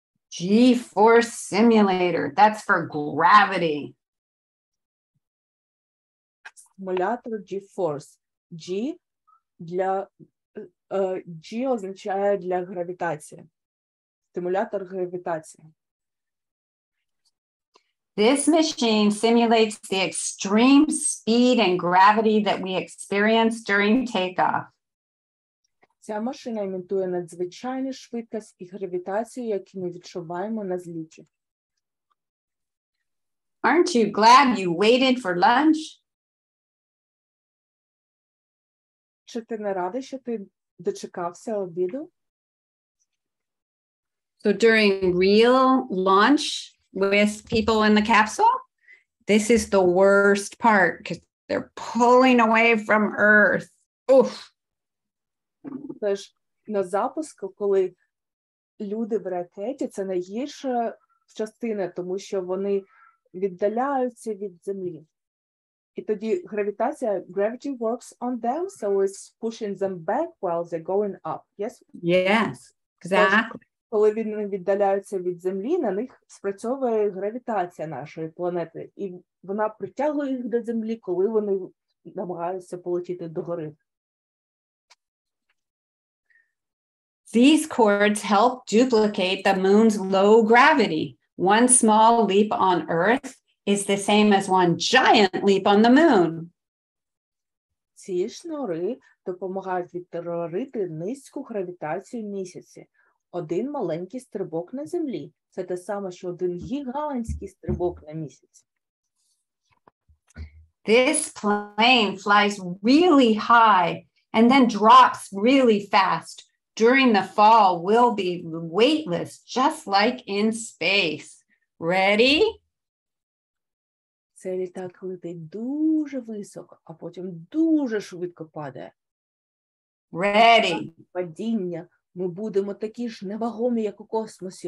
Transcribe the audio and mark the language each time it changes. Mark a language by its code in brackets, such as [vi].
[en] G-force simulator. That's for gravity. [uk] Симулятор G-Force. G для G означає для гравітації. Стимулятор гравітації. [en] This machine simulates the extreme speed and gravity that we experience during takeoff. [uk] Ця машина імітує надзвичайну швидкість і гравітацію, яку ми відчуваємо на зліті. [en] Aren't you glad you waited for lunch? [uk] Чи ти не радий, що ти дочекався обіду? [en] So during real launch with people in the capsule, This is the worst part because they're pulling away from Earth. Oof. [uk] Це ж на запуску, коли люди в ракеті, це найгірша частина, тому що вони віддаляються від Землі. І тоді гравітація, [en] gravity works on them, so it's pushing them back while they're going up. Yes? Yes, exactly. [uk] Коли вони віддаляються від Землі, на них спрацьовує гравітація нашої планети. І вона притягує їх до Землі, коли вони намагаються полетіти догори. [en] These cords help duplicate the moon's low gravity. One small leap on Earth is the same as one giant leap on the moon. [uk] Ці шнури допомагають відтворити низьку гравітацію місяця. Один маленький стрибок на Землі – це те саме, що один гігантський стрибок на місяць. [en] This plane flies really high and then drops really fast. During the fall, we'll be weightless, just like in space. Ready? [uk] Цей літак летить дуже високо, а потім дуже швидко падає. [en] Ready. [uk] Падіння. Ми будемо такі ж невагомі, як у космосі.